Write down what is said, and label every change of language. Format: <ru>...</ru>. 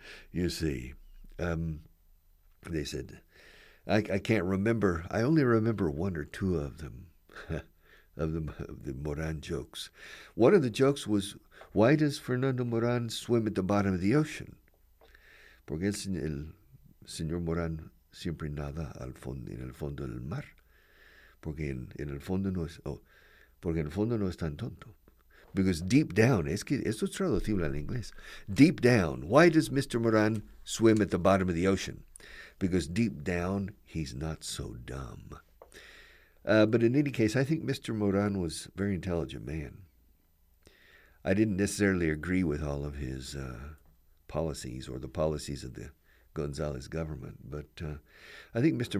<en>You see, they said, I can't remember. I only remember one or two of them, of the Morán jokes. One of the jokes was, why does Fernando Morán swim at the bottom of the ocean?</en> <es>Porque el señor Morán siempre nada al fondo, en el fondo del mar. Porque en el fondo no es, oh, porque en el fondo no es tan tonto.</es> <en>Because deep down,</en> <es>es que esto es traducible al inglés.</es> <en>Deep down, why does Mr. Morán swim at the bottom of the ocean? Because deep down, he's not so dumb. But in any case, I think Mr. Morán was a very intelligent man. I didn't necessarily agree with all of his policies or the policies of the González government, but I think Mr.</en>